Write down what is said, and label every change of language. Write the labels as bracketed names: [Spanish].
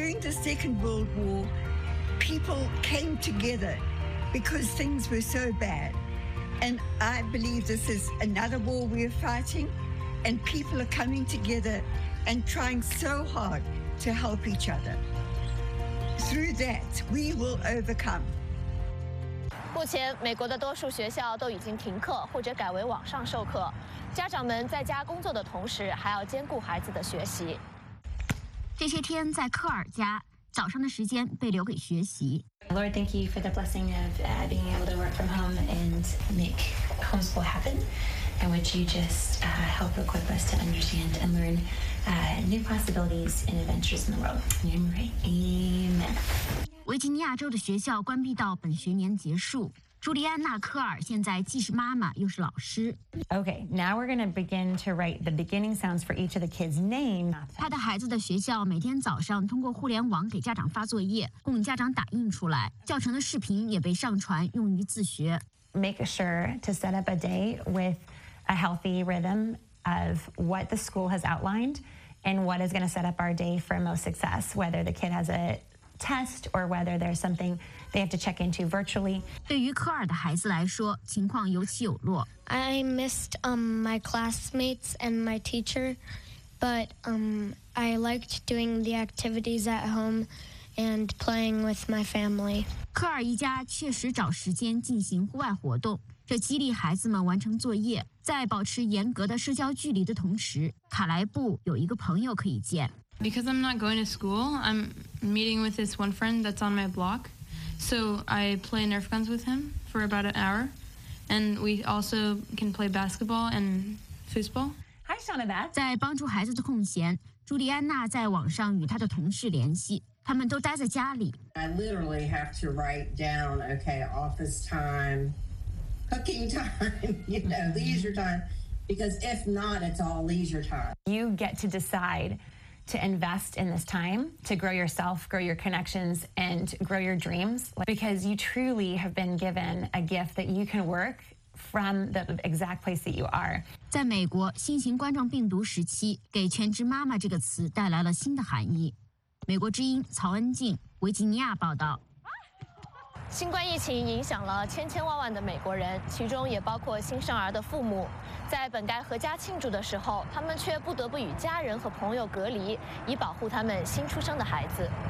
[English] Second World War, people came together because things were so bad. And I believe this is another war we are fighting, and people are coming together and trying so hard to help each other. Through that, we will overcome. [Chinese] 目前美国的多数学校都已经停课或者改为网上授课，家长们在家工作的同时还要兼顾孩子的学习。这些天在科尔家，早上的时间被留给学习。 [English] Lord, thank you for the blessing of being able to work from home and make homeschool happen. And would you just help equip us to understand and learn new possibilities and adventures in the world? Amen. [Chinese] 维吉尼亚州的学校关闭到本学年结束。朱莉安娜·科尔现在既是妈妈又是老师。 [English] Okay, now we're going to begin to write the beginning sounds for each of the kids' name. [Chinese] 她的孩子的学校每天早上通过互联网给家长发作业，供家长打印出来。教程的视频也被上传用于自学。 [English] Make sure to set up a day with a healthy rhythm of what the school has outlined and what is going to set up our day for most success, whether the kid has a test or whether there's something they have to check into virtually. [Chinese] 对于科尔的孩子来说，情况有起有落。 [English] I missed my classmates and my teacher, but I liked doing the activities at home and playing with my family. [Chinese] 科尔一家确实找时间进行户外活动，这激励孩子们完成作业。在保持严格的社交距离的同时，卡莱布有一个朋友可以见。 [English] Because I'm not going to school, I'm meeting with this one friend that's on my block. So I play Nerf guns with him for about an hour. And we also can play basketball and foosball. Hi, Shauna Beth. [Chinese] 在帮助孩子的空闲，朱莉安娜在网上与她的同事联系。他们都待在家里。 [English] I literally have to write down, okay, office time, cooking time, you know, leisure time. Because if not, it's all leisure time. You get to decide. To invest in this time, to grow yourself, grow your connections, and grow your dreams, because you truly have been given a gift that you can work from the exact place that you are. [Chinese] 在美国新型冠状病毒时期，给全职妈妈这个词带来了新的含义。美国之音曹恩静，维吉尼亚报道。新冠疫情影响了千千万万的美国人，其中也包括新生儿的父母。在本该合家庆祝的时候，他们却不得不与家人和朋友隔离，以保护他们新出生的孩子。